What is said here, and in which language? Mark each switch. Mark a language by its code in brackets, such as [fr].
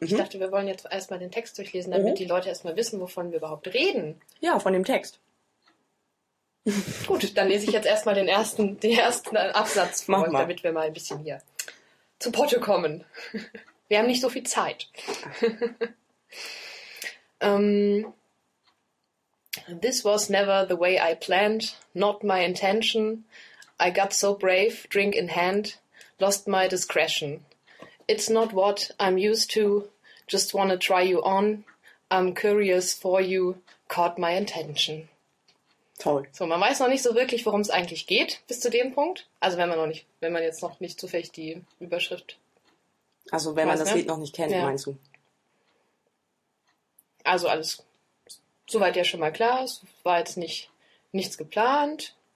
[de] Ich dachte, wir wollen jetzt erstmal den Text durchlesen, damit die Leute erstmal wissen, wovon wir überhaupt reden. Ja, von dem Text. Gut, dann lese ich jetzt erstmal den ersten Absatz Mach vor, mal. damit wir mal ein bisschen hier zu Potte kommen. Wir haben nicht so viel Zeit. [en] This was never the way I planned, not my intention. I got so brave, drink in hand, lost my discretion. It's not what I'm used to, just wanna try you on. I'm curious for you, caught my intention. [de] Toll. So, man weiß noch nicht so wirklich, worum es eigentlich geht bis zu dem Punkt. Also wenn man jetzt noch nicht zufällig die Überschrift. Also wenn man das Lied noch nicht kennt, meinst du? Also alles soweit ja schon mal klar. Es war jetzt nichts geplant.